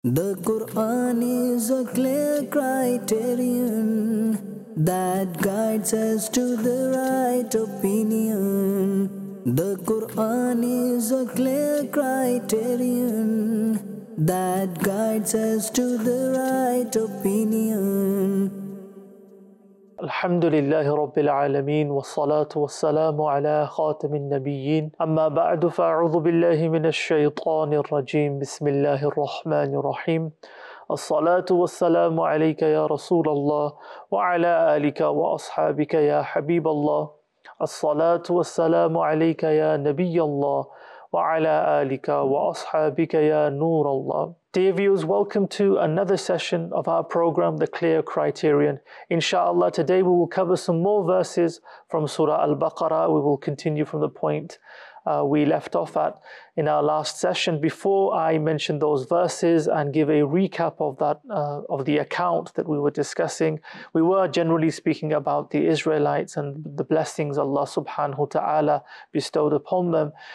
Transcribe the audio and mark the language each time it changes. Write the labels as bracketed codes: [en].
[en] The Quran is a clear criterion that guides us to the right opinion. The Quran is a clear criterion that guides us to the right opinion. [ar] الحمد لله رب العالمين والصلاة والسلام على خاتم النبيين أما بعد فأعوذ بالله من الشيطان الرجيم بسم الله الرحمن الرحيم الصلاة والسلام عليك يا رسول الله وعلى آلك وأصحابك يا حبيب الله الصلاة والسلام عليك يا نبي الله وعلى آلك وأصحابك يا نور الله. [en] Dear viewers, welcome to another session of our program, The Clear Criterion. Inshallah, today we will cover some more verses from Surah Al-Baqarah. We will continue from the point we left off at in our last session. Before I mention those verses and give a recap of that of the account that we were discussing, we were generally speaking about the Israelites and the blessings Allah subhanahu wa ta'ala bestowed upon them.